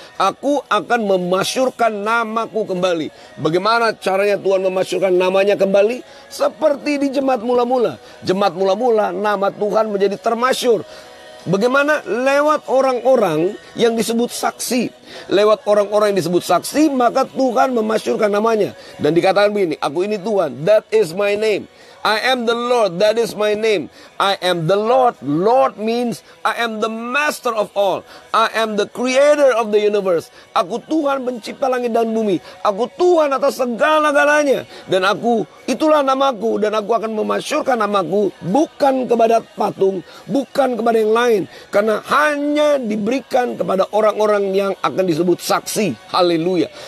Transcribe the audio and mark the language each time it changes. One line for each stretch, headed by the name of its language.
Indonesian: Aku akan memasyurkan namaku kembali. Bagaimana caranya Tuhan memasyurkan namanya kembali? Seperti di jemaat mula-mula. Jemaat mula-mula nama Tuhan menjadi termasyur. Bagaimana lewat orang-orang yang disebut saksi. Lewat orang-orang yang disebut saksi, maka Tuhan memasyurkan namanya. Dan dikatakan begini, aku ini Tuhan,
English: that is my name. I am the Lord, that is my name. I am the Lord. Lord means I am the master of all. I am the creator of the universe.
Indonesian: Aku Tuhan pencipta langit dan bumi. Aku Tuhan atas segala-galanya. Dan aku, itulah namaku. Dan aku akan memasyurkan namaku bukan kepada patung, bukan kepada yang lain. Karena hanya diberikan kepada orang-orang yang akan disebut saksi. Haleluya.